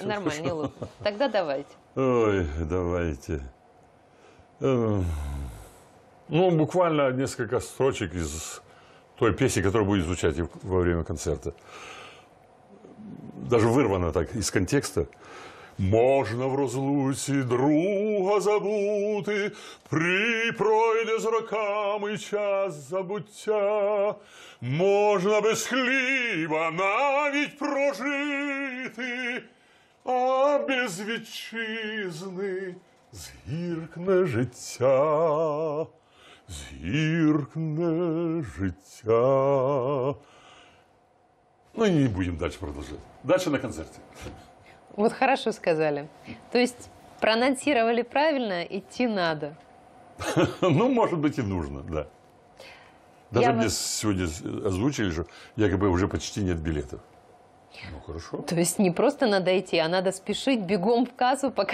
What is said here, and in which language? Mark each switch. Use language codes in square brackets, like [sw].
[ru] Нормально, не лопнет. Тогда давайте. Ой, давайте. Ну, буквально несколько строчек из той песни, которая будет звучать во время концерта. Даже вырвано так из контекста. [uk] Можно в розлуці друга забути, припройде з роками час забуття. Можна без хліба навіть прожити, а без вітчизни згіркне життя. Згіркне життя. Ну і не будемо далі продовжувати. Далі на концерті. [ru] Вот хорошо сказали. То есть проанонсировали правильно, идти надо. Ну, может быть, и нужно, да. Даже мне сегодня озвучили, что якобы уже почти нет билетов. Ну, хорошо. То есть не просто надо идти, а надо спешить бегом в кассу, пока